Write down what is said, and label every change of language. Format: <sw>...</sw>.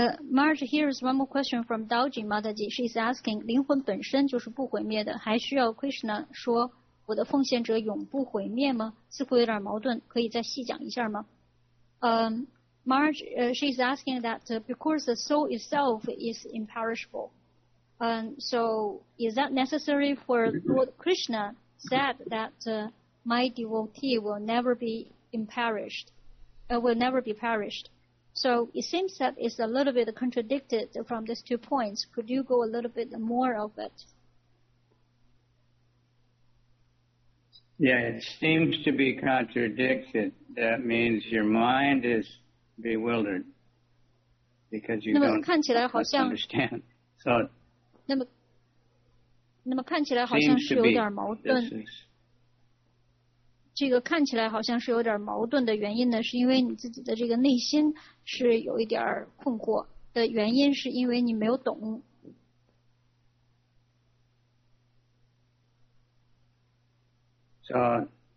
<en>Marge, here is one more question from Dowji Mataji. She's asking,</en> <zh>灵魂本身就是不毁灭的, 还需要 Krishna 说, 我的奉献者永不毁灭吗? 似乎有点矛盾, 可以再细讲一下吗?</zh> <en>Marge, she's asking that because the soul itself is imperishable, so is that necessary for Lord Krishna said that my devotee will never be imperished, will never be perished? So it seems that it's a little bit contradicted from these two points. Could you go a little bit more of it? Yeah, it seems to be contradicted. That means your mind is bewildered because you don't understand. So,</en> <zh>那么看起来好像是有点矛盾。这个看起来好像是有点矛盾的原因呢，是因为你自己的这个内心是有一点困惑的原因，是因为你没有懂。So</zh>